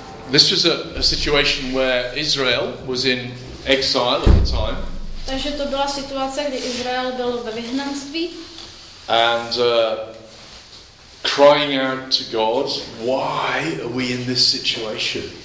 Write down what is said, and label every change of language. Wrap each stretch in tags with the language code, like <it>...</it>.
<en>This was a situation where Israel was in exile at the time.</en> <cs>Takže to byla situace, kdy Izrael byl ve vyhnanství.</cs> <en>And crying out to God, why are we in this situation?</en>